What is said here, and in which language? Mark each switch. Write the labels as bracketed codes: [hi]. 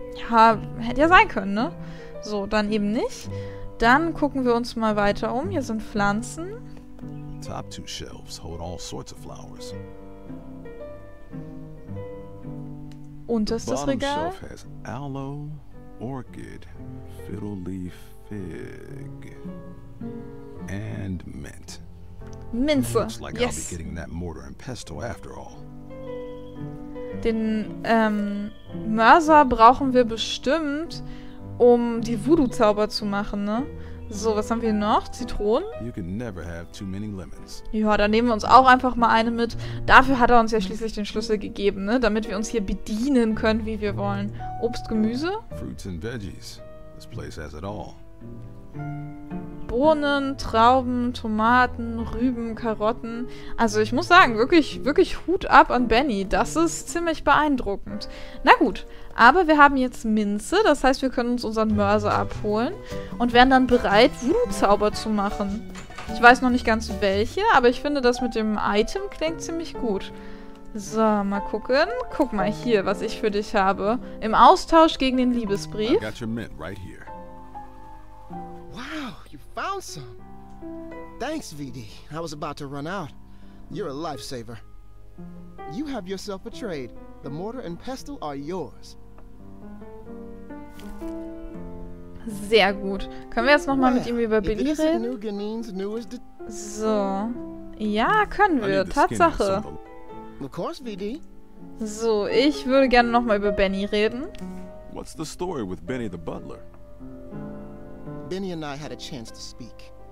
[de] Ja, hätte ja sein können, ne? So, dann eben nicht. Dann gucken wir uns mal weiter um. Hier sind Pflanzen. [en] Top two shelves hold all sorts of flowers. [de] Unterstes Regal. [en] Bottom shelf has aloe, orchid, fiddle leaf, fig... And mint. [de] Minze. [en] Looks like yes. I'll be getting that mortar and pestle after all. [de] Den Mörser brauchen wir bestimmt, um die Voodoo-Zauber zu machen, ne? So, was haben wir noch? Zitronen? [en] You can never have too many lemons. [de] Ja, dann nehmen wir uns auch einfach mal eine mit. Dafür hat er uns ja schließlich den Schlüssel gegeben, ne? Damit wir uns hier bedienen können, wie wir wollen. Obst, Gemüse? Fruits and veggies. This place has it all. Bohnen, Trauben, Tomaten, Rüben, Karotten. Also ich muss sagen, wirklich, wirklich Hut ab an Benny. Das ist ziemlich beeindruckend. Na gut, aber wir haben jetzt Minze. Das heißt, wir können uns unseren Mörser abholen und wären dann bereit, Voodoo-Zauber zu machen. Ich weiß noch nicht ganz welche, aber ich finde, das mit dem Item klingt ziemlich gut. So, mal gucken. Guck mal hier, was ich für dich habe. Im Austausch gegen den Liebesbrief. [en] I've got your mint right here. Wow, you found some. Thanks, VD. I was about to run out. You're a lifesaver. You have yourself a trade. The mortar and pestle are yours. [de] Sehr gut. Können wir jetzt nochmal mit ihm über Billy reden? New Ganin's newest so. Ja, können wir. Tatsache. [en] Of course, VD. [de] So, ich würde gerne nochmal über Benny reden. [en] What's the story with Benny the Butler? Benny and I had a chance to speak.